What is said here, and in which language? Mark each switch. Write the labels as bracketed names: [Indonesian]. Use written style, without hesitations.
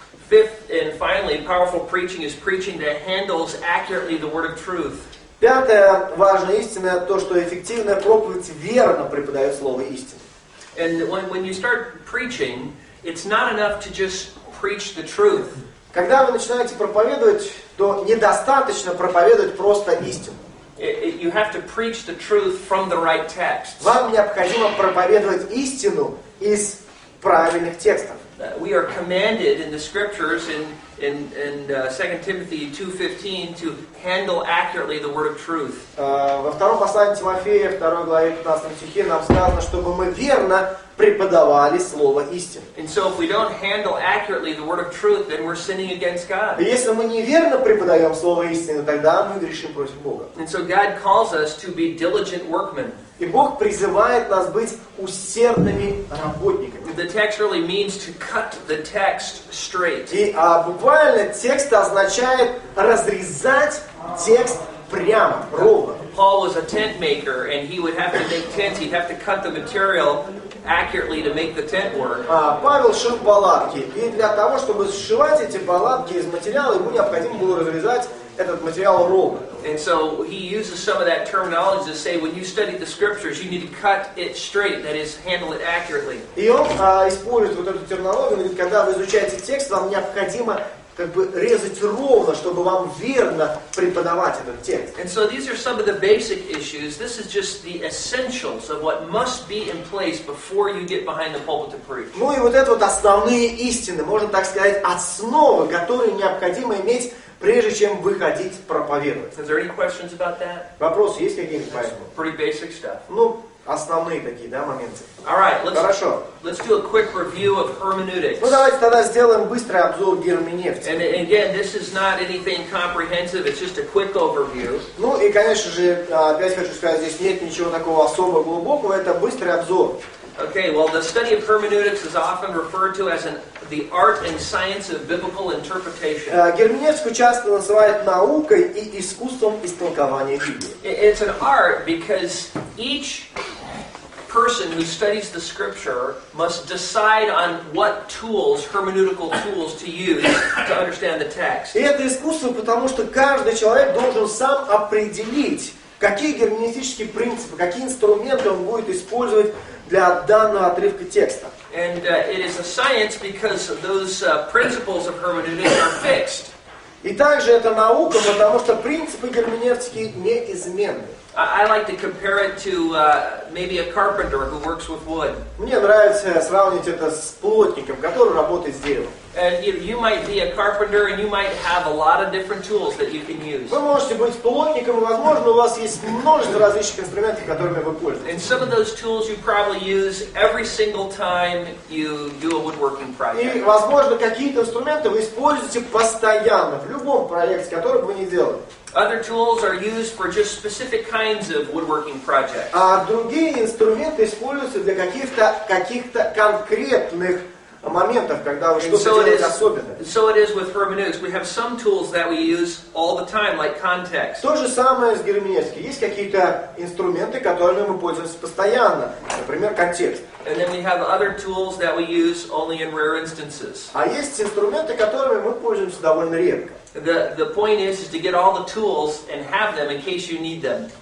[English] Fifth and finally, powerful preaching is preaching that handles accurately the word of truth. [Russian] Пятая важная истина – то, что эффективная проповедь верно преподает слово истины. [English] And when you start preaching, it's not enough to just preach the truth. [Russian] Когда вы начинаете проповедовать, то недостаточно проповедовать просто истину. [English] You have to preach the truth from the right text. [Russian] Вам необходимо проповедовать истину из правильных текстов. [English] We are commanded in the scriptures in 2 Timothy 2:15 to handle accurately the word of truth. [Russian] Во втором послании Тимофея, 2 главе 15 стихе, нам сказано, чтобы мы верно преподавали слово истины. [English] And so if we don't handle accurately the word of truth, then we're sinning against God. [Russian] Если мы неверно преподаем слово истины, тогда мы грешим против Бога. [English] And so God calls us to be diligent workmen. [Russian] И Бог призывает нас быть усердными работниками. [English] The text really means to cut the text straight. [Russian] И буквально текст означает разрезать текст прямо, ровно. [English] Paul was a tent maker, and he would have to make tents. He'd have to cut the material accurately to make the tent work. [Russian] Павел шил палатки, и для того, чтобы сшивать эти палатки из материала, ему необходимо было разрезать этот материал ровно. [English] And so he uses some of that terminology to say, when you study the scriptures, you need to cut it straight, that is, handle it accurately. [Russian] И он использует вот эту терминологию, говорит, когда вы изучаете текст, вам необходимо как бы резать ровно, чтобы вам верно преподавать этот текст. [English] And so these are some of the basic issues. This is just the essentials of what must be in place before you get behind the pulpit to preach. [Russian] Ну и вот это вот основные истины, можно так сказать, основы, которые необходимо иметь, прежде чем выходить проповедовать. [English] Is there any questions about that? [Russian] Вопросы есть какие-нибудь по этому? [English] Pretty basic stuff. [Russian] Ну, основные такие, да, моменты. [English] All right, [Russian] хорошо. [English] Let's do a quick review of hermeneutics. [Russian] Ну, давайте тогда сделаем быстрый обзор герменевтики. [English] And again, this is not anything comprehensive, it's just a quick overview. [Russian] Ну, и, конечно же, опять хочу сказать, здесь нет ничего такого особо глубокого, это быстрый обзор. [English] Okay, well, the study of hermeneutics is often referred to as the art and science of biblical interpretation. [Russian] Герменевтику часто называют наукой и искусством истолкования Библии. [English] It's an art because each person who studies the scripture must decide on what tools, hermeneutical tools, to use to understand the text. [Russian] И это искусство, потому что каждый человек должен сам определить, какие герменевтические принципы, какие инструменты он будет использовать для данного отрывка текста. [English] And it is a science because those principles of hermeneutics are fixed. [Russian] И также это наука, потому что принципы герменевтики неизменны. [English] I like to compare it to maybe a carpenter who works with wood. [Russian] Мне нравится сравнить это с плотником, который работает с деревом. [English] And you might be a carpenter and you might have a lot of different tools that you can use. [Russian] Вы можете быть плотником, возможно, у вас есть множество различных инструментов, которыми вы пользуетесь. [English] And some of those tools you probably use every single time you do a woodworking project. [Russian] И, возможно, какие-то инструменты вы используете постоянно, в любом проекте, который бы вы ни делали. [English] Other tools are used for just specific kinds of woodworking projects. [Russian] А другие инструменты используются для каких-то конкретных моментов, когда вы что-то делаете особенное. [English] So it is with hermeneutics. We have some tools that we use all the time, like context. [Russian] То же самое с герменевтикой. Есть какие-то инструменты, которыми мы пользуемся постоянно. Например, контекст. [English] And then we have other tools that we use only in rare instances. [Russian] А есть инструменты, которыми мы пользуемся довольно редко. [English] The point is to get all the tools and have them in case you need them.